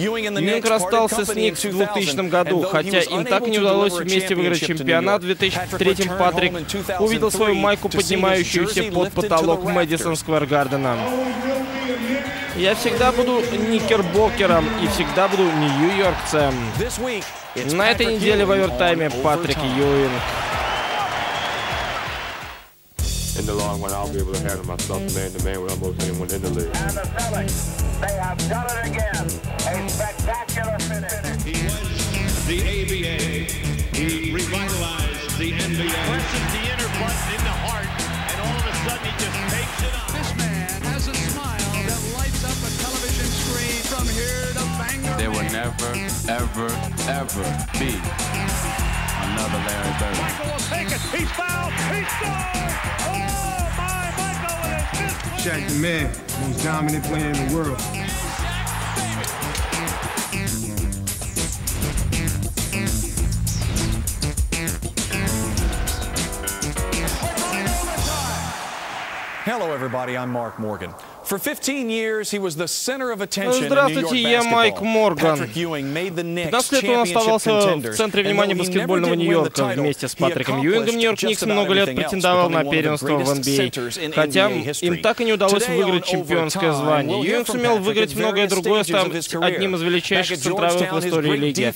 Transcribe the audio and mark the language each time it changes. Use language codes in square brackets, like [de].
[ru] Юинг расстался с Никс в 2000 году, хотя им так и не удалось вместе выиграть чемпионат. В 2003-м Патрик увидел свою майку, поднимающуюся под потолок Мэдисон Сквер Гардена. «Я всегда буду Никербокером и всегда буду нью-йоркцем». На этой неделе в овертайме Патрик Юинг. [en] In the long run, I'll be able to handle myself man-to-man with almost anyone in the league. And the Celtics, they have done it again. A spectacular finish. He was the ABA. He revitalized the NBA. He presses the inner button in the heart, and all of a sudden he just takes it up. This man has a smile that lights up a television screen from here to Bangor. There will never, ever, ever be another Larry Bird. Michael will take it. He's fouled. He scores. Shaq the man, most dominant player in the world. Hello, everybody. I'm Mark Morgan. For 15 years he was the center of attention. [ru] Здравствуйте, я Майк Морган. 15 лет он оставался в центре внимания баскетбольного Нью-Йорка. Вместе с Патриком Юингом Нью-Йорк Никс много лет претендовал на первенство в NBA, хотя им так и не удалось выиграть чемпионское звание. Юинг сумел выиграть многое другое, став одним из величайших центровых в истории лиги.